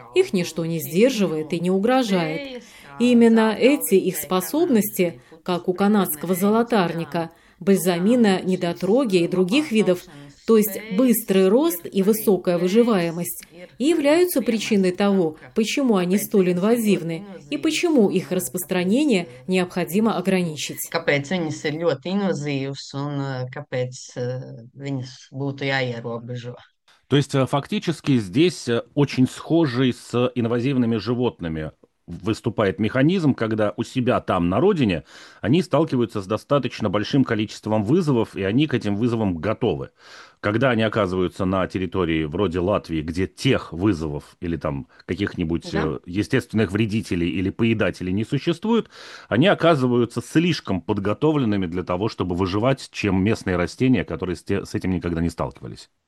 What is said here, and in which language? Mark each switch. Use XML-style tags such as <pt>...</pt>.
<ru>Их ничто не сдерживает и не угрожает. И именно эти их способности, как у канадского золотарника, бальзамина, недотроги и других видов, то есть быстрый рост и высокая выживаемость, и являются причиной того, почему они столь инвазивны и почему их распространение необходимо ограничить.</ru> <lv>Kāpēc viņas ir ļoti invazīvas un kāpēc viņas būtu jāierobežo?</lv> <ru>То есть фактически здесь очень схожий с инвазивными животными выступает механизм, когда у себя там, на родине, они сталкиваются с достаточно большим количеством вызовов, и они к этим вызовам готовы. Когда они оказываются на территории вроде Латвии, где тех вызовов или там каких-нибудь естественных вредителей или поедателей не существует, они оказываются слишком подготовленными для того, чтобы выживать, чем местные растения, которые с этим никогда не сталкивались.</ru>